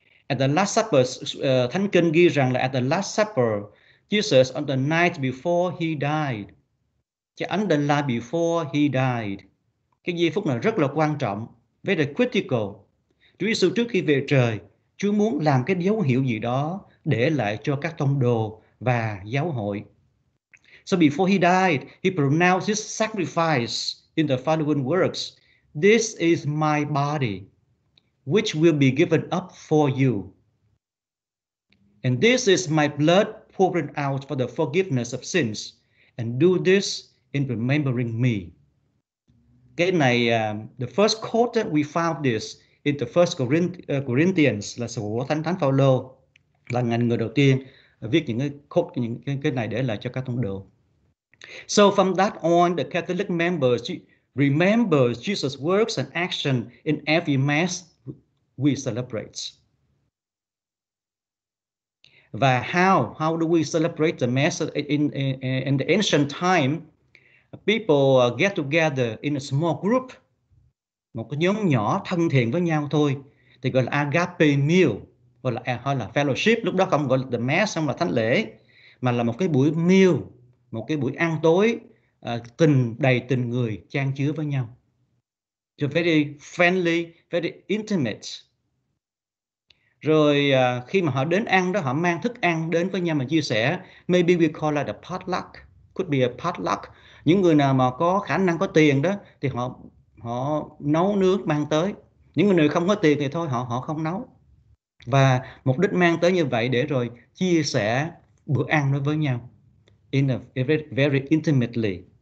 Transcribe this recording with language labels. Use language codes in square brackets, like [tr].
[en] At the Last Supper, [vi] thánh kinh ghi rằng là [en] at the Last Supper, Jesus on the night before he died. Chứ on the night before he died. [vi] Cái giây phút này rất là quan trọng, [en] very critical. [vi] Chúa Giêsu trước khi về trời, Chúa muốn làm cái dấu hiệu gì đó để lại cho các tông đồ và giáo hội. [en] So before he died, he pronounced his sacrifice in the following words: "This is my body, which will be given up for you. And this is my blood poured out for the forgiveness of sins. And do this in remembering me." [vi] Cái này, [en] the first quote that we found this in the first Corinthians, [vi] là sổ của Thánh Thánh Phaolô, là ngành người đầu tiên viết những cái quote, những cái này để lại cho các tông đồ. [en] So from that on, the Catholic members remember Jesus' works and action in every mass we celebrate. Và how do we celebrate the mass in the ancient time? People get together in a small group, [vi] một cái nhóm nhỏ thân thiện với nhau thôi, thì gọi là agape meal, hoặc là fellowship. Lúc đó không gọi là the mass, không là thánh lễ, mà là một cái buổi meal, một cái buổi ăn tối tình đầy tình người chan chứa với nhau. [en] So very friendly, very intimate. [vi] Rồi khi mà họ đến ăn đó, họ mang thức ăn đến với nhau mà chia sẻ. [en] Maybe we call it a potluck, could be a potluck. [vi] Những người nào mà có khả năng có tiền đó thì họ họ nấu nướng mang tới. Những người không có tiền thì thôi họ họ không nấu. Và mục đích mang tới như vậy để rồi chia sẻ bữa ăn đó với nhau [en] in a very, very intimately.